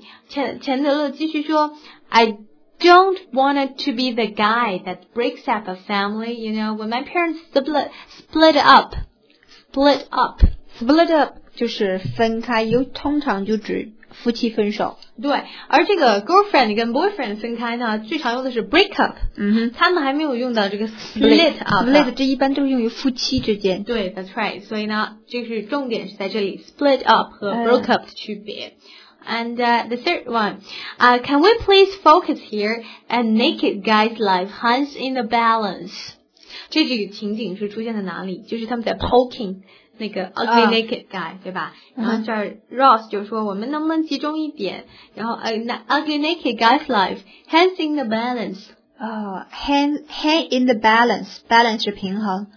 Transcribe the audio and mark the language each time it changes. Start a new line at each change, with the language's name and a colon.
Chinese: 钱德勒继续说
English: I don't want to be the guy that breaks up a family, you know, when my parents split up
Chinese: 就是分开，又通常就指夫妻分手。对，而这个 girlfriend 跟 boyfriend 分开呢最常用的是 break up, 他们还没有用到这个 split up, 这一般都是用于夫妻之间。对
English: that's right,
Chinese: 所以呢这是重点是在这里 split up 和 broke up 的区别。
English: And the third one, can we please focus here? A naked guy's life hangs in the balance.
Chinese: 这几个情景是出现在哪里？就是他们在 poking 那个 ugly naked guy, 对吧？然后这儿 Ross 就说我们能不能集中一点？然后
English: ugly naked guy's life hangs in the balance.
Chinese: Hang in the balance, balance 是平衡，